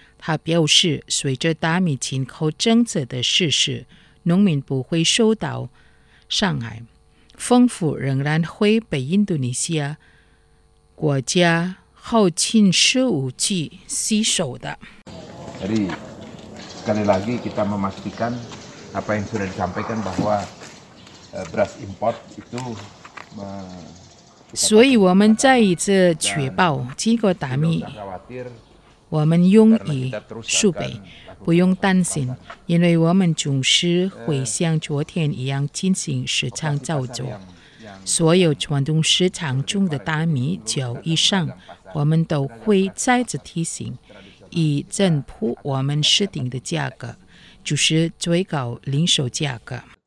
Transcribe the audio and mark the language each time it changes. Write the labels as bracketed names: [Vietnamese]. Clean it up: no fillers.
[Chinese] 他表示，随着大米进口政策的实施，农民不会受到伤害，丰富仍然会被印度尼西亚国家后勤事务局吸收的。 [Indonesian] Jadi sekali lagi kita memastikan apa yang sudah disampaikan bahwa beras import itu。 [Chinese] 所以我们再一次确保进口大米，我们用以储备，不用担心，因为我们总是会像昨天一样进行市场操作。所有传统市场中的大米交易商，我们都会再次提醒，以增铺我们设定的价格，就是最高零售价格。